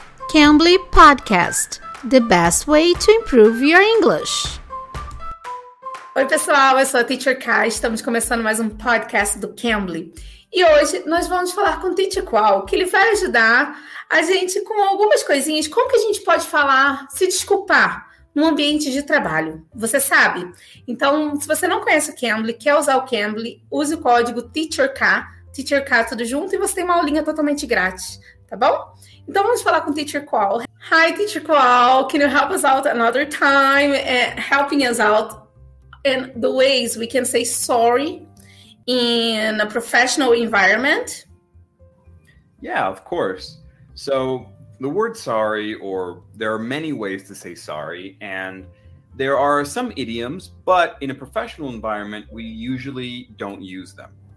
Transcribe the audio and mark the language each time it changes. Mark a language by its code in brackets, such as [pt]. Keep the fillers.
[en] Kemble Podcast, the best way to improve your English. [pt] Oi, pessoal, eu sou a Teacher K. estamos começando mais um podcast do Kemble E hoje nós vamos falar com o Teacher Qual, que ele vai ajudar a gente com algumas coisinhas. Como que a gente pode falar, se desculpar, no ambiente de trabalho? Você sabe? Então, se você não conhece o Kemble, quer usar o Kemble, use o código Teacher K, Teacher K tudo junto, e você tem uma aulinha totalmente grátis. tá bom? Então vamos falar com Teacher Qual. [en] Hi, Teacher Qual, can you help us out another time? helping us out in the ways we can say sorry in a professional environment? Yeah, of course. So the word sorry, or there are many ways to say sorry, and there are some idioms, but in a professional environment, we usually don't use them.